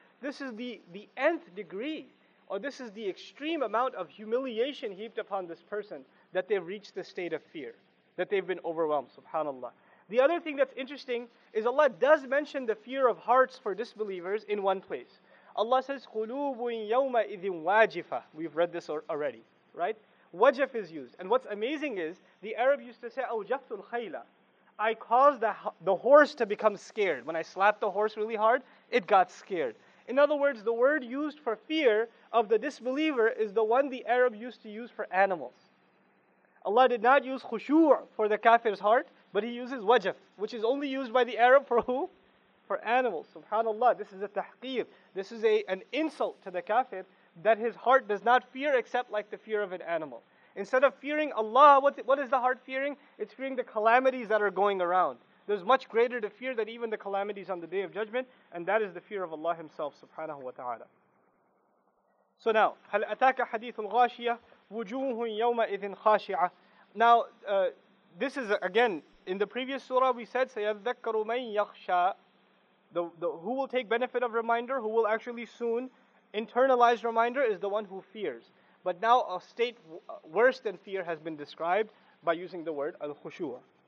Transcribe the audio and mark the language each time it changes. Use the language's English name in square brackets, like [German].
[English] This is the nth degree, or this is the extreme amount of humiliation heaped upon this person, that they've reached the state of fear, that they've been overwhelmed, subhanAllah. The other thing that's interesting is Allah does mention the fear of hearts for disbelievers in one place. Allah says, [Arabic] قُلُوبٌ يَوْمَ إِذٍ وَاجِفَةٌ. [English] We've read this already, right? Wajif is used. And what's amazing is, the Arab used to say, [Arabic] أَوْجَفْتُ الْخَيْلَ. [English] I caused the horse to become scared. When I slapped the horse really hard, it got scared. In other words, the word used for fear of the disbeliever is the one the Arab used to use for animals. Allah did not use khushu' for the kafir's heart, but he uses wajif, which is only used by the Arab for who? For animals. SubhanAllah, this is a tahqeer. This is an insult to the kafir that his heart does not fear except like the fear of an animal. Instead of fearing Allah, what is the heart fearing? It's fearing the calamities that are going around. there's much greater to fear than even the calamities on the Day of Judgment, and that is the fear of Allah Himself, subhanahu wa ta'ala. So now, [Arabic] هَلْ أَتَاكَ حَدِيثُ الْغَاشِيَةِ وُجُوهٌ يَوْمَئِذٍ خَاشِعَةٌ. [English] Now, this is again, in the previous surah we said, [Arabic] سَيَذَّكَّرُ مَنْ يَخْشَىٰ. [English] Who will take benefit of reminder, who will actually soon internalize reminder, is the one who fears. But now a state worse than fear has been described by using the word al-khushu'a.